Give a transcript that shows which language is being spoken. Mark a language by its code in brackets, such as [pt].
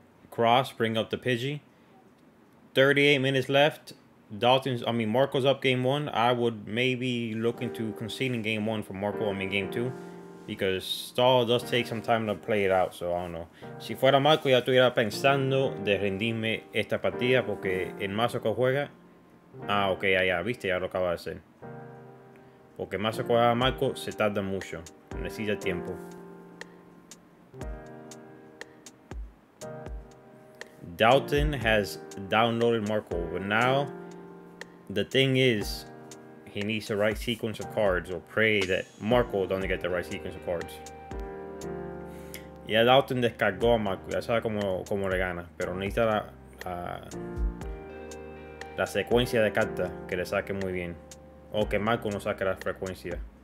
[en] Cross, bring up the Pidgey. 38 minutes left. Marco's up game one. I would maybe look into conceding game one for Marco, game two. Because stall does take some time to play it out, so I don't know. [es] Si fuera Marco, ya estuviera pensando de rendirme esta partida porque el Masako juega. Ah, ok, ya, viste, ya lo acaba de hacer. Porque Masako juega a Marco, se tarda mucho. Necesita tiempo. [en] Dalton has downloaded Marco, but now the thing is he needs the right sequence of cards, or pray that Marco doesn't get the right sequence of cards. [es] Yeah, Dalton descargó a Marco, ya sabe cómo le gana, pero necesita la secuencia de cartas que le saque muy bien, o que Marco no saque la frecuencia.